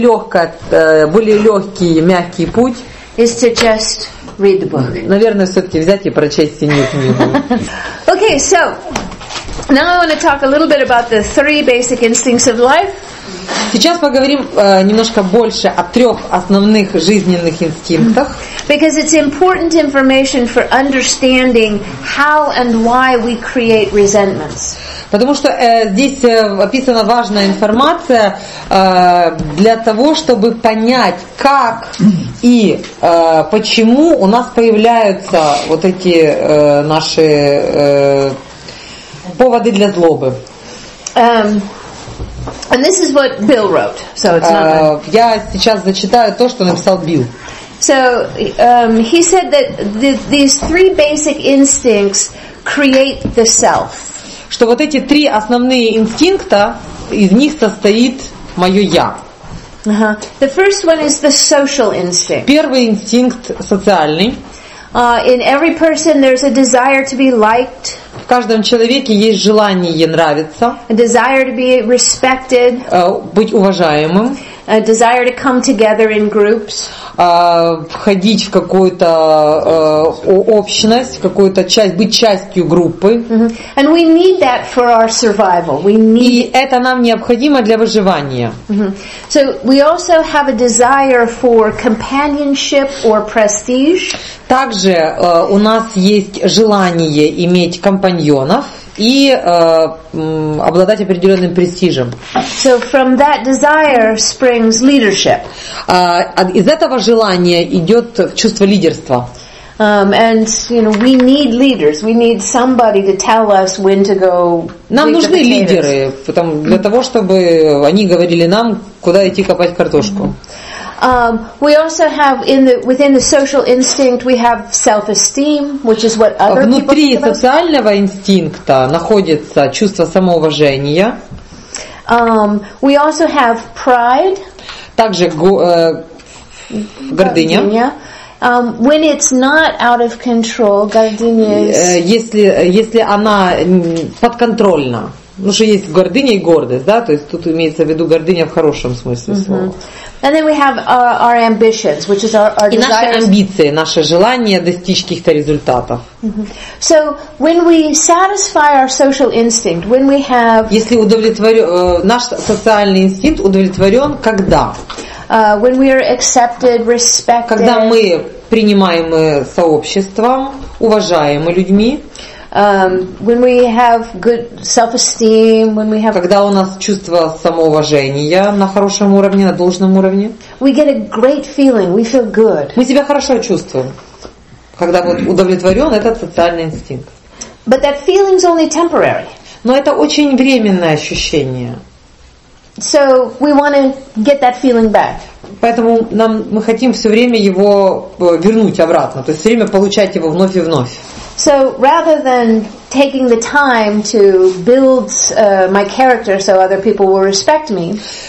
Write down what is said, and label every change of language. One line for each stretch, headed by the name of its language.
Russian: Более легкий, мягкий путь.
English: Is to just read the book.
Russian: Наверное, все-таки взять и прочесть синюю книгу.
English: Okay, so now I want to talk a little bit about the three basic instincts of life.
Russian: Сейчас поговорим немножко больше о трех основных жизненных инстинктах.
English: Because it's important information for understanding how and why we create resentments.
Russian: Потому что здесь описана важная информация для того, чтобы понять, как и почему у нас появляются вот эти наши поводы для злобы.
English: And this is what Bill wrote. So it's not.
Russian: Я сейчас зачитаю то, что написал Билл.
English: So he said that these three basic instincts create the self.
Russian: Что вот эти три основные инстинкта, из них состоит мое я.
English: The first one is the social instinct.
Russian: Первый инстинкт социальный.
English: In every person there's a desire to be liked.
Russian: В каждом человеке есть желание нравиться.
English: A desire to be respected.
Russian: Быть уважаемым.
English: A desire to come together in groups.
Russian: Входить в какую-то общность, в какую-то часть, быть частью группы.
English: Mm-hmm. And we need that for our survival. We need.
Russian: И это нам необходимо для выживания.
English: Mm-hmm. So we also have a desire for companionship or prestige.
Russian: Также у нас есть желание иметь компаньонов и обладать определенным престижем.
English: So from that desire springs leadership.
Russian: Из этого желания идет чувство лидерства.
English: And you know, we need leaders. We need somebody to tell us when to go.
Russian: Нам нужны лидеры, для того, чтобы они говорили нам, куда идти копать картошку.
English: We also have within the social instinct we have self-esteem, which is what other people.
Russian: Внутри социального инстинкта находится чувство самоуважения.
English: We also have pride.
Russian: Также гордыня.
English: When it's not out of control, гордыня.
Russian: Если она подконтрольна. Ну что есть гордыня и гордость, да? То есть тут имеется в виду гордыня в хорошем смысле слова.
English: And then we have our ambitions, which is our desires.
Russian: И наши амбиции, наше желание достичь каких-то результатов.
English: Mm-hmm. So when we satisfy our social instinct, when we have.
Russian: Если наш социальный инстинкт удовлетворен, когда?
English: When we are accepted, respected.
Russian: Когда мы принимаемы сообществом, уважаемы людьми.
English: When we have good self-esteem, when we have.
Russian: Когда у нас чувство самоуважения на хорошем уровне, на должном уровне.
English: We get a great feeling. We feel good.
Russian: Мы себя хорошо чувствуем, когда вот удовлетворен этот социальный инстинкт.
English: But that feeling is only temporary.
Russian: Но это очень временное ощущение.
English: So we want to get that feeling back.
Russian: Поэтому мы хотим все время его вернуть обратно, то есть все время получать его вновь и вновь.
English: So rather than taking the time to build my character so other people will respect me.